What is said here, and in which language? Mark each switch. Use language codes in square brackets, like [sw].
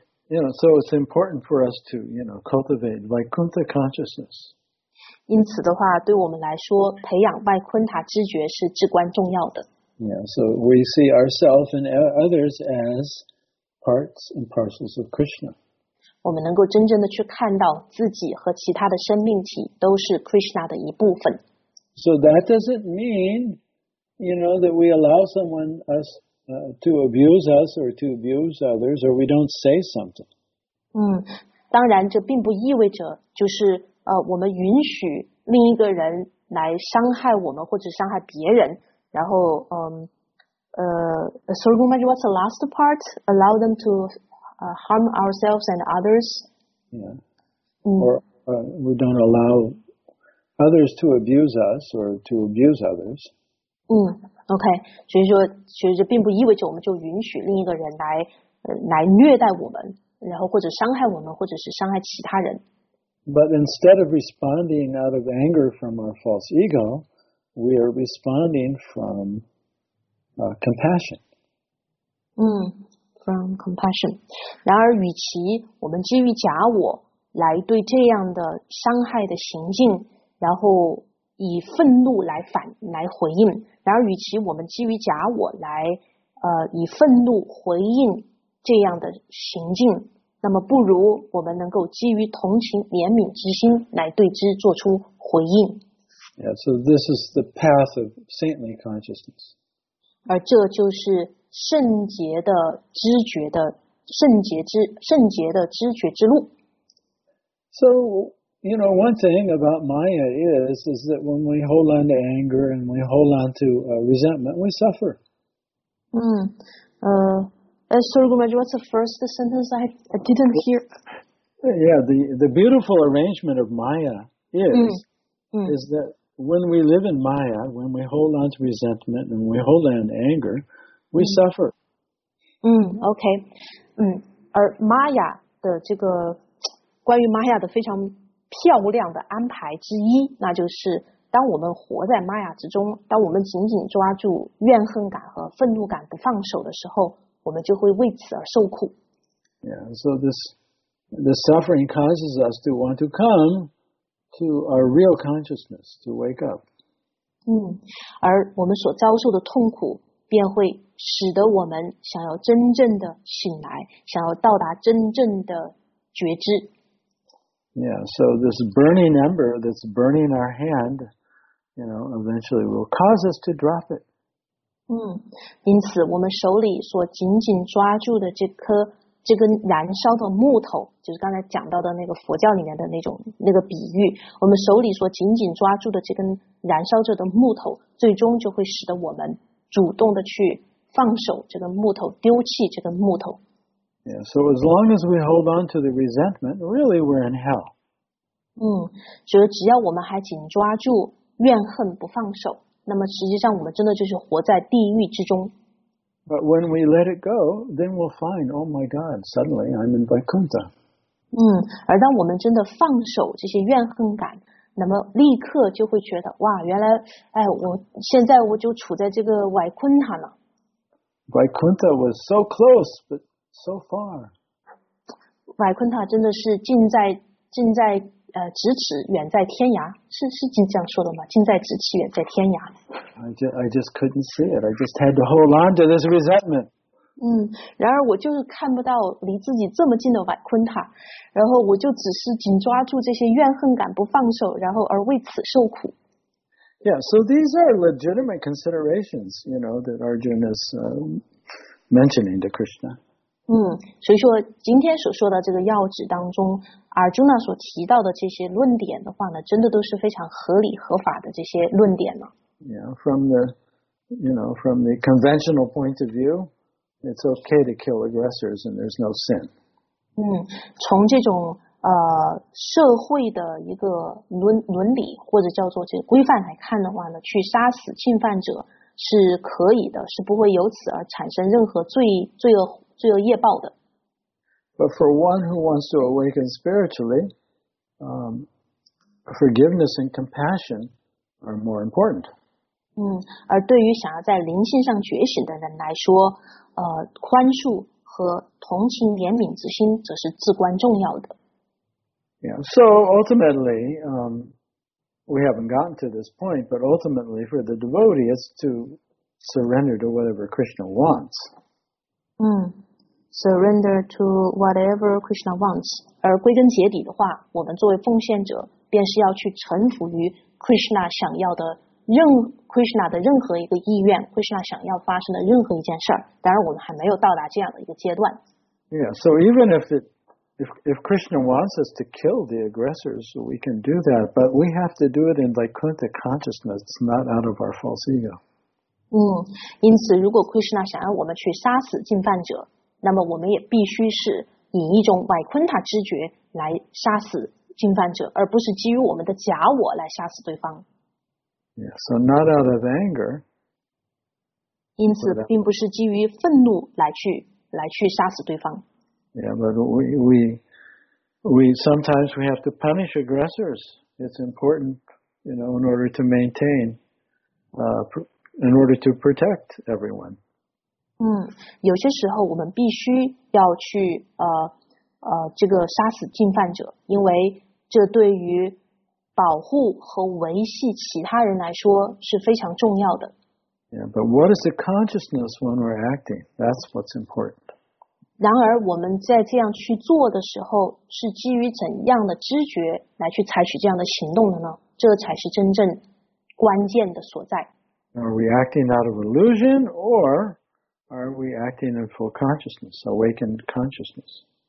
[en] So it's important for us to, cultivate Vaikuntha consciousness. [zh] 因此的话，对我们来说，培养外昆塔知觉是至关重要的。 [en] Yeah, so we see ourselves and others as parts and parcels of Krishna. [zh] 我们能够真正的去看到自己和其他的生命体都是 Krishna 的一部分。 [en] So that doesn't mean, that we allow someone us to abuse us or to abuse others, or we don't say something. [zh] 当然，这并不意味着就是我们允许另一个人来伤害我们或者伤害别人。然后， [en] Sorry, what's the last part? Allow them to harm ourselves and others. Or we don't allow others to abuse us or to abuse others. [zh] OK， 所以说其实这并不意味着我们就允许另一个人来虐待我们，然后或者伤害我们，或者是伤害其他人。 [en] But instead of responding out of anger from our false ego, we are responding from compassion. From compassion. [zh] 然而，与其我们基于假我来对这样的伤害的行径，然后以愤怒来回应，然而与其我们基于假我来以愤怒回应这样的行径，那么不如我们能够基于同情怜悯之心来对之做出回应。 [en] Yeah, so this is the path of saintly consciousness. [zh] 而这就是圣洁的知觉的圣洁的知觉之路。 [en] So, you know, one thing about Maya is that when we hold on to anger and we hold on to resentment, we suffer. Sorry, Guruji, what's the first sentence I didn't hear? Yeah, the beautiful arrangement of Maya is that when we live in Maya, when we hold on to resentment and we hold on to anger, we suffer. Okay. [zh] 而 Maya 的这个关于 Maya 的非常漂亮的安排之一，那就是当我们活在 Maya 之中，当我们紧紧抓住怨恨感和愤怒感不放手的时候，我们就会为此而受苦。 [en] Yeah, so the suffering causes us to want to come to our real consciousness to wake up. [zh] 而我们所遭受的痛苦便会使得我们想要真正的醒来，想要到达真正的觉知。 [en] Yeah, so this burning ember that's burning our hand, you know, eventually will cause us to drop it. [zh] 因此我们手里所紧紧抓住的这根燃烧的木头，就是刚才讲到的那个佛教里面的那种那个比喻，我们手里所紧紧抓住的这根燃烧着的木头，最终就会使得我们主动的去放手这根木头，丢弃这根木头。 [en] Yeah, so as long as we hold on to the resentment, really we're in hell. [zh] 所以只要我们还紧抓住怨恨不放手，那么实际上我们真的就是活在地狱之中。 [en] But when we let it go, then we'll find, oh my God, suddenly I'm in Vaikuntha. [zh] 而当我们真的放手这些怨恨感，那么立刻就会觉得，哇，原来，我现在我就处在这个外昆塔了。 [en] Vaikuntha was so close, but so far. [zh] 外昆塔真的是咫尺，远在天涯，是这样说的吗？近在咫尺，远在天涯。 [en] I just couldn't see it. I just had to hold on to this resentment. [zh] 然而我就是看不到离自己这么近的外昆塔，然后我就只是紧抓住这些怨恨感不放手，然后而为此受苦。 [en] Yeah, so these are legitimate considerations, you know, that Arjuna is mentioning to Krishna. [zh] 所以说今天所说的这个要旨当中，Arjuna 所提到的这些论点的话呢，真的都是非常合理合法的这些论点呢。 [en] Yeah, from the conventional point of view, it's okay to kill aggressors and there's no sin. [zh] 从这种社会的一个伦理或者叫做这个规范来看的话呢，去杀死侵犯者是可以的，是不会由此而产生任何罪恶业报的。 [en] But for one who wants to awaken spiritually, forgiveness and compassion are more important. [zh] 而对于想要在灵性上觉醒的人来说，宽恕和同情怜悯之心则是至关重要的。 [en] Yeah, so ultimately, we haven't gotten to this point, but ultimately for the devotee, it's to surrender to whatever Krishna wants. Surrender to whatever Krishna wants. [zh] 而归根结底的话，我们作为奉献者，便是要去臣服于 Krishna 想要的任 Krishna 的任何一个意愿 ，Krishna 想要发生的任何一件事儿。当然，我们还没有到达这样的一个阶段。 [en] Yeah. So even if Krishna wants us to kill the aggressors, we can do that. But we have to do it in Vaikuntha consciousness, not out of our false ego. [zh] 因此，如果 Krishna 想要我们去杀死进犯者，那么我们也必须是以一种外昆塔知觉来杀死侵犯者，而不是基于我们的假我来杀死对方。 [en] Yeah, so not out of anger, [zh] 因此并不是基于愤怒来去杀死对方。 [en] Yeah, but we sometimes we have to punish aggressors. It's important, you know, in order to maintain, in order to protect everyone. [zh] 有些时候我们必须要去这个杀死进犯者，因为这对于保护和维系其他人来说是非常重要的。 [en] Yeah, but what is the consciousness when we're acting? That's what's important. [zh] 然而我们在这样去做的时候，是基于怎样的知觉来去采取这样的行动的呢？这才是真正关键的所在。 [en] Are we acting out of illusion, or are we acting in full consciousness, awakened consciousness?